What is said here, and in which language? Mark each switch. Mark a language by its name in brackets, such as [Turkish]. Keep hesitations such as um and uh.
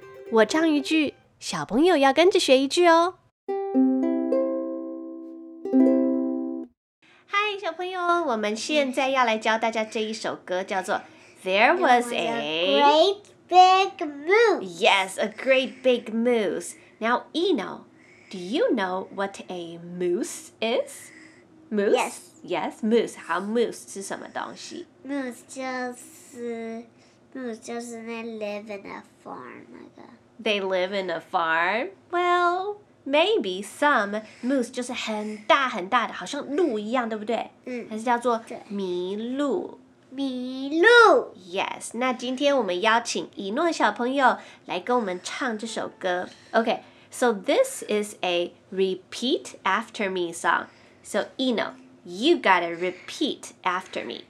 [Chinese] 我唱一句，小朋友要跟着学一句哦。嗨，小朋友，我们现在要来教大家这一首歌，叫做《There Was a Great Big moose. [English] Yes, a great big moose. Now, Eno, do you know what a moose is? [Chinese] Moose，yes，moose，how moose 是什么东西？Moose 就是，moose 就是那 [English] live in a farm [Chinese] 那个。 [English] They live in a farm？Well，maybe some moose [Chinese] 就是很大很大的，好像鹿一样，对不对？ [English] 嗯。 [Chinese] 还是叫做麋鹿。麋鹿。 Yes，那今天我们邀请以诺小朋友来跟我们唱这首歌。 [English] Okay，so this is a repeat after me song。 So, Eno, you gotta repeat after me.